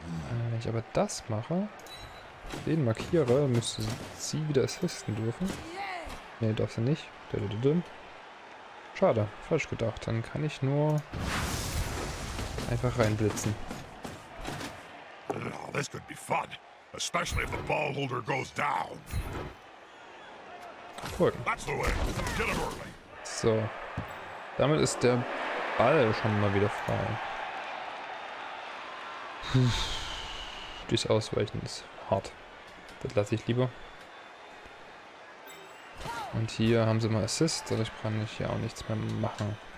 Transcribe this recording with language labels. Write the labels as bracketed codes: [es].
[de] Wenn ich aber das mache, den markiere, müsste sie wieder assisten dürfen. Nee, darf sie nicht. Schade, falsch gedacht. Dann kann ich nur einfach reinblitzen. [en] Oh, this could be fun. Especially if the ball holder goes down. [de] Folgen. [en] That's the way. Get him early. [de] So. Damit ist der Ball schon mal wieder frei. Dies Ausweichen ist hart. Das lasse ich lieber. Und hier haben sie mal Assist, dadurch kann ich ja auch nichts mehr machen.